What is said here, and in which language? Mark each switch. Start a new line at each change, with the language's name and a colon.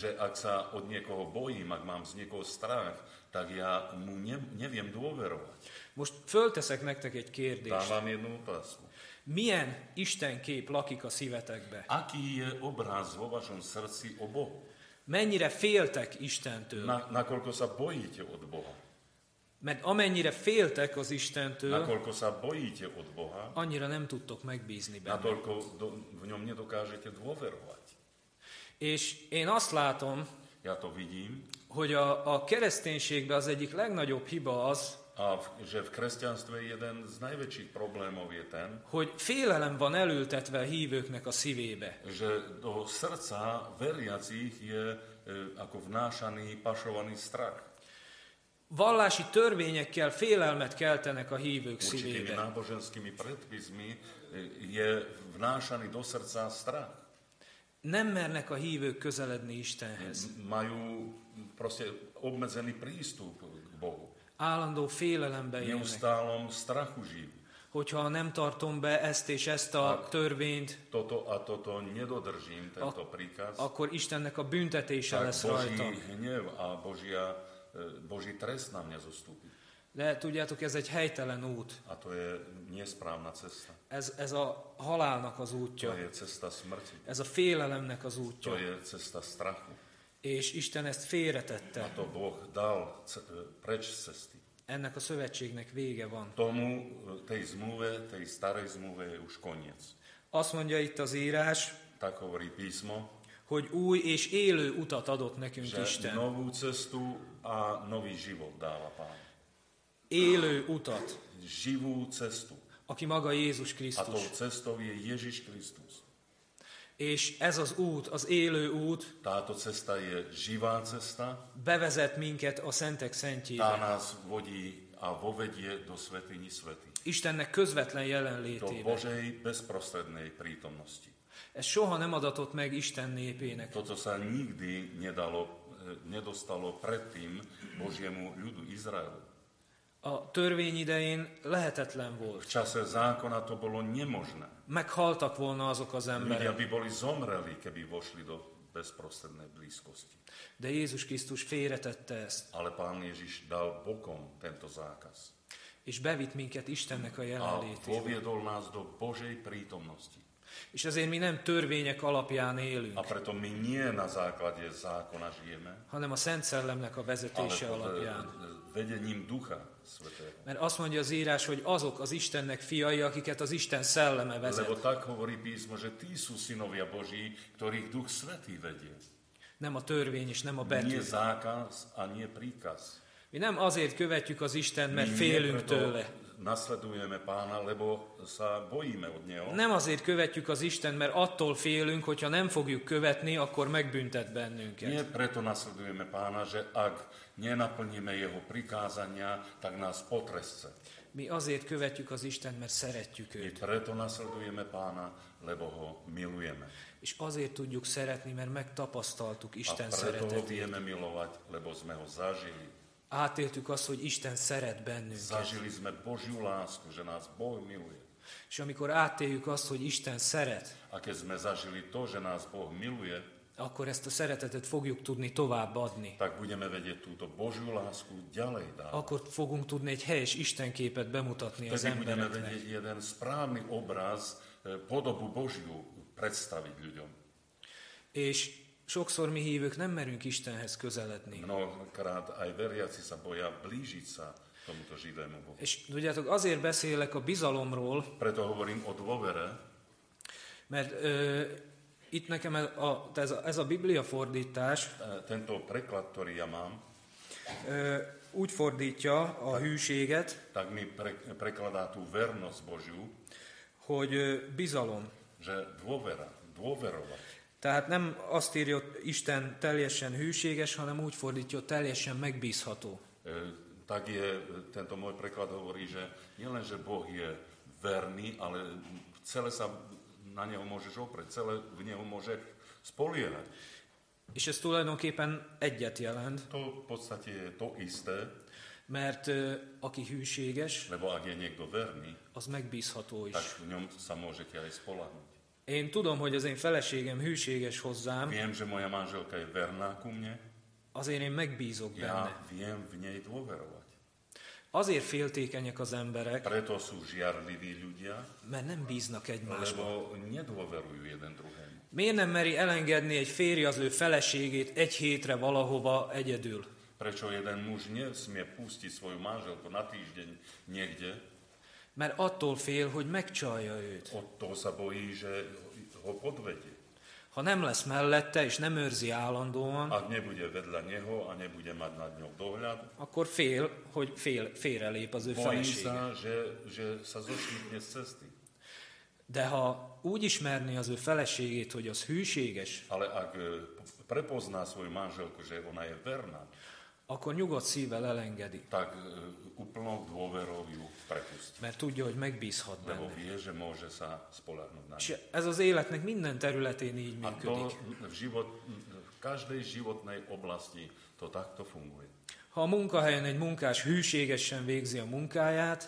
Slovak: Že ak sa od niekoho bojím, ak mám z niekoho strach, tak ja mu neviem dôverovať.
Hungarian: Most fölteszek nektek egy kérdést.
Slovak: Dávam jednu otázku.
Hungarian: Milyen Isten kép lakik a szívetekbe?
Slovak: Aký je obraz vo vašom srdci o Bohu?
Hungarian: Mennyire féltek Istentől?
Slovak: Nakoľko sa bojíte od Boha?
Hungarian: Mert amennyire féltek az Istentől,
Slovak: nakoľko sa bojíte od Boha,
Hungarian: annyira nem tudtok megbízni benne.
Slovak: Natoľko v ňom nedokážete dôverovať.
Hungarian: És én azt látom,
Slovak: ja to vidím,
Hungarian: hogy a kereszténységben az egyik legnagyobb hiba az,
Slovak: že v kresťanstve jeden z najväčších problémov je ten,
Hungarian: hogy félelem van elültetve a hívőknek a szívébe.
Slovak: Že do srdca veriacich je ako vnášaný, pašovaný strach.
Hungarian: Vallási törvényekkel félelmet keltenek a hívők szívébe.
Slovak: Určitými náboženskými predpismi je vnášaný do srdca strach.
Hungarian: Nem mernek a hívők közeledni Istenhez.
Slovak: Majú proste obmedzený prístup k Bohu.
Hungarian: Állandó félelembe jönnek.
Slovak: Neustálom strachu žijú.
Hungarian: Hogyha nem tartom be ezt és ezt a törvényt,
Slovak: toto a toto nedodržím tento príkaz,
Hungarian: akkor Istennek a büntetése lesz rajta.
Slovak: Tak Boží hnev a Božia Boží trest na mňa zostúpi.
Hungarian: De tudjátok, ez egy helytelen út.
Slovak: A to je nesprávna cesta.
Hungarian: Ez a halálnak az útja.
Slovak: To je cesta smrti.
Hungarian: Ez a félelemnek az útja.
Slovak: To je cesta strachu.
Hungarian: És Isten ezt félretette.
Slovak: A to Boh dal preč cesty.
Hungarian: Ennek a szövetségnek vége van.
Slovak: Tomu, tej zmluve, tej starej zmluve je už koniec.
Hungarian: Azt mondja itt az írás,
Slovak: tak hovorí písmo,
Hungarian: hogy új és élő utat adott nekünk Isten.
Slovak: Novú cestu a nový život dáva Pán.
Hungarian: Élő utat.
Slovak: Živú cestu.
Hungarian: Aki maga Jézus Krisztus.
Slovak: A tou cestou je Ježíš Kristus.
Hungarian: És ez az út, az élő út.
Slovak: Táto cesta je živá cesta.
Hungarian: Bevezet minket a Szentek Szentjébe.
Slovak: Tá nás vodí a vovedie do Svätyni Svätých.
Hungarian: Istennek közvetlen jelenlétébe.
Slovak: Do Božej bezprostrednej prítomnosti.
Hungarian: Ez soha nem adatott meg Isten népének.
Slovak: Toto sa nikdy nedostalo predtým Božiemu ľudu Izraelu.
Hungarian: A törvény idején lehetetlen volt.
Slovak: V čase zákona to bolo nemožné.
Hungarian: Meghaltak volna azok az emberek.
Slovak: Ľudia by boli zomreli, keby vošli do bezprostrednej blízkosti.
Hungarian: De Jézus Krisztus félretette ezt.
Slovak: Ale Pán Ježiš dal bokom tento zákaz.
Hungarian: És bevitt minket Istennek a jelenlétébe.
Slovak: A poviedol nás do Božej prítomnosti.
Hungarian: És ezért mi nem törvények alapján élünk.
Slovak: A preto my nie na základe zákona žijeme.
Hungarian: Hanem a Szent Szellemnek a vezetése alapján.
Slovak: Vedením Ducha Svätého.
Hungarian: Mert azt mondja az írás, hogy azok az Istennek fiai, akiket az Isten szelleme vezet.
Slovak: Lebo tak hovorí písmo, že tí sú synovia Boží, ktorých Duch Svätý vedie.
Hungarian: Nem a törvény és nem a betű.
Slovak: Nie zákaz a nie príkaz.
Hungarian: Mi nem azért követjük az Istent, mert félünk tőle.
Slovak: Nasledujeme Pána, lebo sa bojíme od Neho.
Hungarian: Nem azért követjük az Istent, mert attól félünk, hogyha nem fogjuk követni, akkor megbüntet bennünket.
Slovak: Nie preto nasledujeme Pána, že ak nenaplníme Jeho prikázania, tak nás potresce.
Hungarian: Mi azért követjük az Istent, mert szeretjük Őt.
Slovak: Mi preto nasledujeme Pána, lebo Ho milujeme.
Hungarian: És azért tudjuk szeretni, mert megtapasztaltuk Isten szeretetét.
Slovak: A preto
Hungarian: szeretetét.
Slovak: Ho vieme milovať, lebo sme Ho zažili.
Hungarian: Átéltük azt, hogy Isten szeret bennünket.
Slovak: Zažili sme Božiu lásku, že nás Boh miluje.
Hungarian: És amikor átéljük azt, hogy Isten szeret,
Slovak: a keď sme zažili to, že nás Boh miluje,
Hungarian: akkor ezt a szeretetet fogjuk tudni továbbadni.
Slovak: Tak budeme vedieť túto Božiu lásku ďalej dávať.
Hungarian: Akkor fogunk tudni egy helyes Isten képet bemutatni
Slovak: tak
Hungarian: az embereknek.
Slovak: Tak budeme vedieť jeden správny obraz, podobu Božiu predstaviť ľuďom.
Hungarian: És sokszor mi hívők nem merünk Istenhez közeledni.
Slovak: Mnohokrát aj veriaci sa boja blížiť sa tomuto živému Bohu.
Hungarian: És tudjátok, azért beszélek a bizalomról.
Slovak: Preto hovorím o dôvere.
Hungarian: Mert itt nekem ez a Biblia fordítás.
Slovak: Tento preklad, ktorý ja mám.
Hungarian: Úgy fordítja a hűséget.
Slovak: Tak mi prekladá tú vernosť Božiu.
Hungarian: Hogy bizalom.
Slovak: Že dôvera, dôverovať.
Hungarian: Tehát nem azt írja, hogy Isten teljesen hűséges, hanem úgy fordítja, hogy teljesen megbízható.
Slovak: Tak je, tento môj preklad hovorí, že nielen, že Boh je verný, ale celé sa na Neho môžeš oprieť, celé v Neho môže spoliehať.
Hungarian: És ez tulajdonképpen egyet jelent.
Slovak: To v podstate je to isté.
Hungarian: Mert aki hűséges,
Slovak: lebo ak je niekto verný,
Hungarian: az megbízható is.
Slovak: Tak v ňom sa môžete aj spoláhnuť.
Hungarian: Én tudom, hogy az én feleségem hűséges hozzám.
Slovak: Viem, že moja manželka je verná ku mne.
Hungarian: Azért én megbízok
Slovak: ja
Hungarian: benne.
Slovak: Ja viem v nej dôverovať.
Hungarian: Azért féltékenyek az emberek.
Slovak: Preto sú žiarliví ľudia.
Hungarian: Mert nem bíznak egymásba.
Slovak: Lebo nedôverujú jeden druhému.
Hungarian: Miért nem meri elengedni egy férj az ő feleségét egy hétre valahova egyedül?
Slovak: Prečo jeden muž nesmie pustiť svoju manželku na týždeň niekde?
Hungarian: Mert attól fél, hogy megcsalja őt.
Slovak: Attól sa bojí, že ho podvedie.
Hungarian: Ha nem lesz mellette, és nem őrzi állandóan,
Slovak: ak nebude vedľa neho a nebude mať nad ňou dohľad,
Hungarian: akkor fél, hogy félrelép az ő felesége.
Slovak: Bojí sa, že sa zošmitne z cesty.
Hungarian: De ha úgy ismerni az ő feleségét, hogy az hűséges,
Slovak: ale ak prepozná svoju manželku, že ona je verná,
Hungarian: akkor nyugodt szívvel elengedi.
Slovak: Tak úplnou dôverou ju prepustí.
Hungarian: Mert tudja, hogy megbízhat benne.
Slovak: Lebo vie, že môže sa spoľahnúť na ňu.
Hungarian: Ez az életnek minden területén így
Slovak: a
Hungarian: működik.
Slovak: To v každej životnej oblasti to takto funguje.
Hungarian: Ha a munkahelyen egy munkás hűségesen végzi a munkáját,